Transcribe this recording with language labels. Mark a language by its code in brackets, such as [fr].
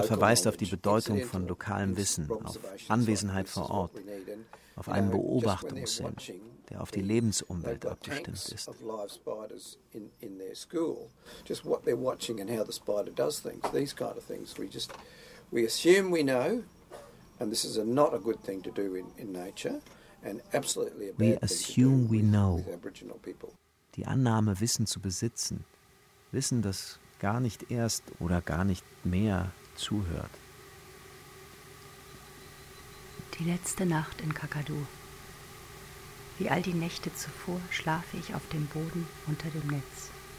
[de] Robert verweist auf die Bedeutung von lokalem Wissen, auf Anwesenheit vor Ort, auf einen Beobachtungssinn, der auf die Lebensumwelt abgestimmt ist. [en] Of live spiders in their school, just what they're watching and how the spider does things, these kind of things. We assume we know. And this is not a good thing to do in nature, and absolutely a bad thing to do with Aboriginal people. [de] Die Annahme, Wissen zu besitzen, Wissen, das gar nicht erst oder gar nicht mehr zuhört. Die letzte Nacht in Kakadu. Wie all die Nächte zuvor schlafe ich auf dem Boden unter dem Netz.